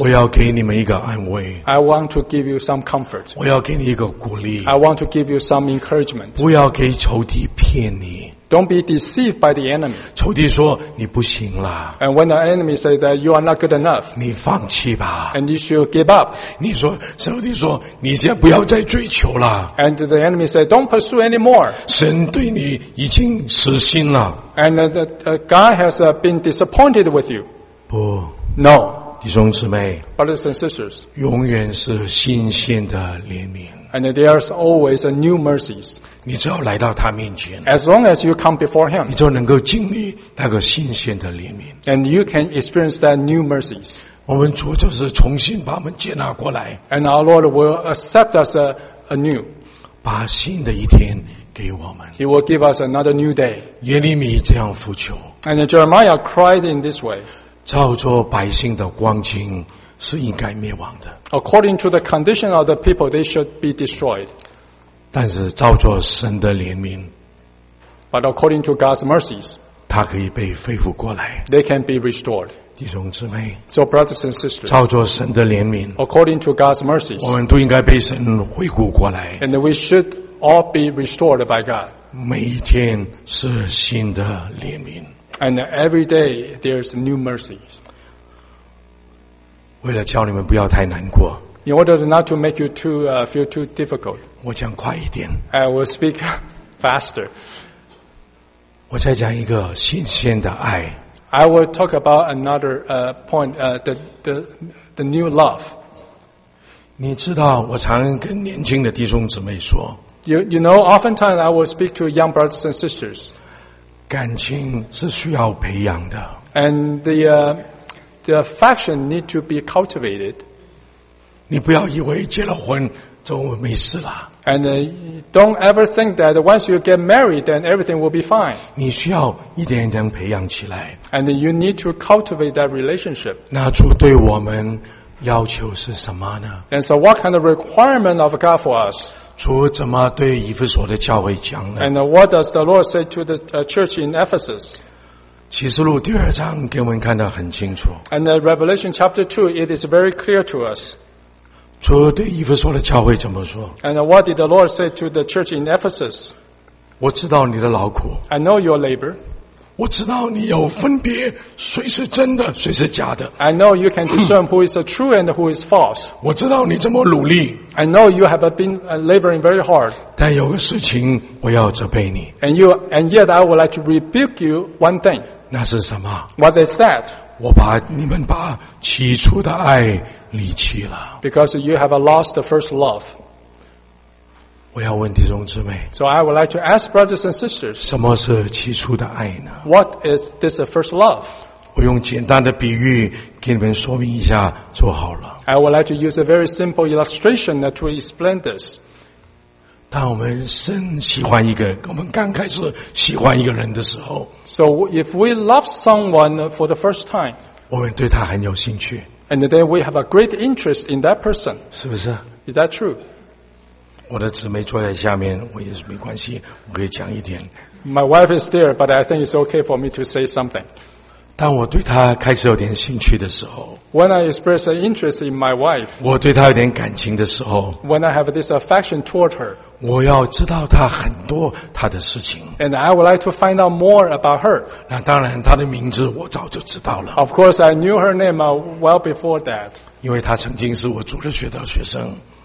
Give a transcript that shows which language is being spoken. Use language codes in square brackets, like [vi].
[zh] 我要给你们一个安慰 [en] ，I want to give you some comfort. [zh] 我要给你一个鼓励 [en] ，I want to give you some encouragement. [zh] 不要给仇敌骗你。 [en] Don't be deceived by the enemy. [zh] 仇敌说你不行了。 [en] And when the enemy says that you are not good enough, [zh] 你放弃吧。 [en] And you should give up. [zh] 你说仇敌说你先不要再追求了。 [en] And the enemy says, don't pursue anymore. [zh] 神对你已经死心了。 [en] And God has been disappointed with you. [zh] 不。 [en] No. [zh] 弟兄姊妹。 [en] Brothers and sisters. [zh] 永远是新鲜的怜悯。 [en] And there are always a new mercies. [zh] 你只要来到他面前 [en] As long as you come before him, [zh] 你就能够经历那个新鲜的怜悯 [en] And you can experience that new mercies. [zh] 我们主就是重新把我们接纳过来 [en] And our Lord will accept us anew. [zh] 把新的一天给我们 [en] He will give us another new day. [zh] 耶利米这样呼求 [en] And Jeremiah cried in this way. [zh] 照着百姓的光景是应该灭亡的。 [en] According to the condition of the people, they should be destroyed. [zh] 但是照着神的怜悯 [en] ，But according to God's mercies, [zh] 他可以被恢复过来。 [en] They can be restored. [zh] 弟兄姊妹 [en] ，So brothers and sisters, [zh] 照着神的怜悯 [en] ，According to God's mercies, [zh] 我们都应该被神恢复过来。 [en] And we should all be restored by God. [zh] 每一天是新的怜悯 [en] ，And every day there's new mercies. [zh] 为了叫你们不要太难过 [en] ，In order not to make you too feel too difficult， [zh] 我讲快一点 [en] ，I will speak faster。 [zh] 我再讲一个新鲜的爱 [en] ，I will talk about another point the new love。 [zh] 你知道，我常跟年轻的弟兄姊妹说 [en] ，You know， oftentimes I will speak to young brothers and sisters。 [zh] 感情是需要培养的 [en] ，And the affection need to be cultivated. [zh] 你不要以为结了婚就没事了。 [en] And don't ever think that once you get married, then everything will be fine. [zh] 你需要一点一点培养起来。 [en] And you need to cultivate that relationship. [zh] 那主对我们要求是什么呢 [en] ？And so, what kind of requirement of God for us? [zh] 主怎么对以弗所的教会讲呢 [en] ？And what does the Lord say to the church in Ephesus? [zh] 启示录第二章给我们看得很清楚。 [en] And Revelation chapter 2, it is very clear to us. [zh] 主对以弗所的教会怎么说 [en] ？And what did the Lord say to the church in Ephesus? [zh] 我知道你的劳苦。 [en] I know your labor. [zh] 我知道你有分别，谁是真的，谁是假的。 [en] I know you can discern who is true and who is false. [zh] 我知道你这么努力。 [en] I know you have been laboring very hard. [zh] 但有个事情我要责备你。 [en] And yet I would like to rebuke you one thing. [zh] 那是什么 [en] ？What is that？ [zh] 我把你们把起初的爱离弃了。 [en] Because you have lost the first love。 [zh] 我要问弟兄姊妹。 [en] So I would like to ask brothers and sisters。 [zh] 什么是起初的爱呢 [en] ？What is this first love？ [zh] 我用简单的比喻给你们说明一下就好了。 [en] I would like to use a very simple illustration to explain this。 [zh] 当我们深喜欢一个，我们刚开始喜欢一个人的时候 [en] ，So if we love someone for the first time， [zh] 我们对他很有兴趣 [en] ，And then we have a great interest in that person， [zh] 是不是 [en] ？Is that true？ [zh] 我的姊妹坐在下面，我也是没关系，我可以讲一点。 [en] My wife is there， but I think it's okay for me to say something。 [zh] 当我对他开始有点兴趣的时候 [en] ，When I express an interest in my wife， [zh] 我对他有点感情的时候 [en] ，When I have this affection toward her， [zh] 我要知道他很多他的事情 [en] ，And I would like to find out more about her。 [zh] 那当然，他的名字我早就知道了。 [en] Of course, I knew her name well before that。 [zh] 因为他曾经是我主日学的学生。